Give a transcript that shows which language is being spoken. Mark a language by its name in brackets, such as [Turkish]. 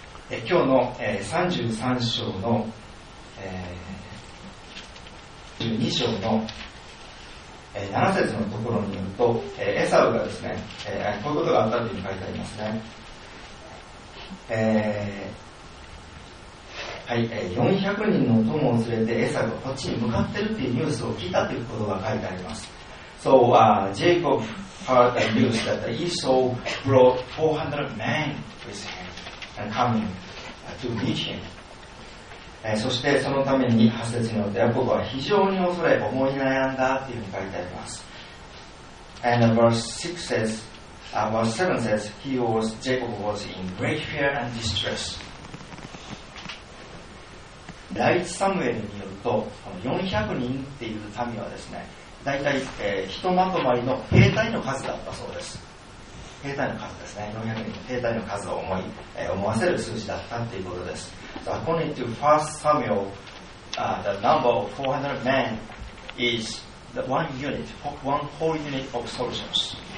[Japanese] 今日の33章の12章の7節のところによると、エサウがですね、こういうことがあったというふうに書いてありますね。 400人の友を連れてエサウがこっちに向かってるっていうニュースを聞いたということが書いてあります。 [English] So, Jacob heard the news that Esau brought 400 men with him and coming. To meet him. [Japanese] そしてそのために8節によってヤコブは非常に恐れ思い悩んだというふうに書いてあります。 [English] And verse 7 says, Jacob was in great fear and distress. [Japanese] 第一サムエルによると、この400人っていう民はですね、大体、ひとまとまりの兵隊の数だったそうです。兵隊の数ですね、400人の兵隊の数を思わせる数字だったということです。 [English] So、according to 1 Samuel,、the number of 400 men is the one unit, one whole unit of soldiers.